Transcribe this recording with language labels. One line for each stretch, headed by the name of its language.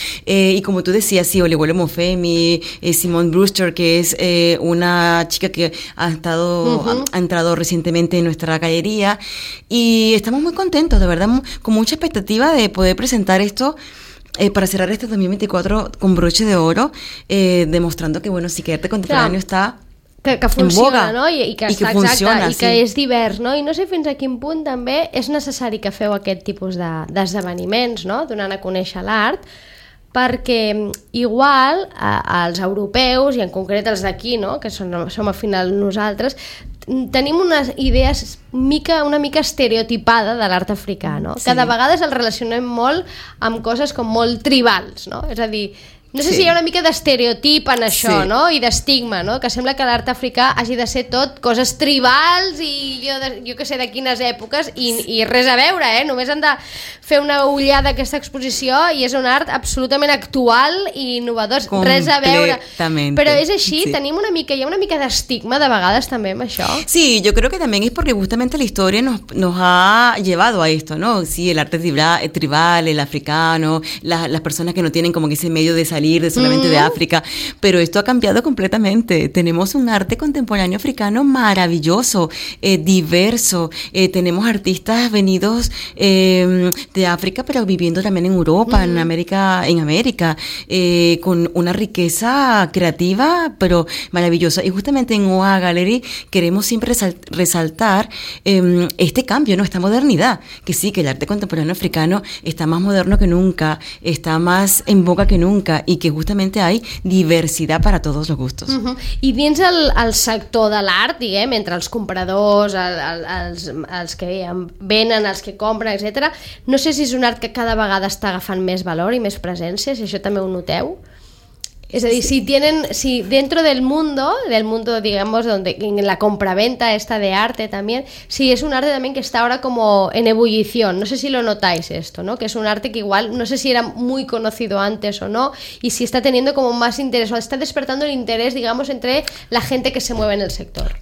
Spanish: Y como tú decías, sí, Olewole Mofemi, Simone Brewster, que es una chica que ha entrado recientemente en nuestra galería. Y estamos muy contentos, de verdad, con mucha expectativa de poder presentar esto. Para cerrar este 2024 con broche de oro, demostrando que, bueno, sí que arte contemporáneo está que funciona, en boga, no?
Catalan: I que exacte, funciona, i que sí. És divers, no? I no sé fins a quin punt també és necessari que feu aquest tipus d'esdeveniments, no? Donant a conèixer l'art, perquè igual els europeus, i en concret els d'aquí, no? Que som al final nosaltres, tenim unes idees una mica estereotipada de l'art africà, no? Sí. Que de vegades el relacionem molt amb coses com molt tribals, no? És a dir, no sé sí. si hi ha una mica d'estereotip en això, sí. no? I d'estigma, no? Que sembla que l'art africà hagi de ser tot coses tribals i jo que sé de quines èpoques i res a veure, eh? Només han de fer una ullada a aquesta exposició i és un art absolutament actual i innovador, res a veure. Però és així, sí. Tenim una mica, hi ha una mica d'estigma de vegades també amb això. Sí, jo crec que també és perquè justament la història
Spanish: nos ha llevado a esto,
Catalan: no?
Spanish: Sí, el arte tribal, el africano, las personas que no tienen como que ese medio de salir de solamente de África, pero esto ha cambiado completamente. Tenemos un arte contemporáneo africano maravilloso, diverso. Tenemos artistas venidos de África, pero viviendo también en Europa, en América, con una riqueza creativa, pero maravillosa. Y justamente en OA Gallery queremos siempre resaltar este cambio, ¿no? Esta modernidad, que sí, que el arte contemporáneo africano está más moderno que nunca, está más en boca que nunca.
Catalan: I que justament hi ha diversitat per a tots els gustos. I dins el sector de l'art, diguem, entre els compradors, els que venen, els que compren, etc., no sé si és un art que cada vegada està agafant més valor i més presència, si això també ho noteu. És a dir, sí.
Spanish: si dentro del mundo, digamos, donde en la compraventa esta de arte también, si es un arte también que está ahora como en ebullición, no sé si lo notáis esto, ¿no? Que es un arte que igual no sé si era muy conocido antes o no y si está teniendo como más interés o está despertando el interés, digamos, entre la gente que se mueve en el sector.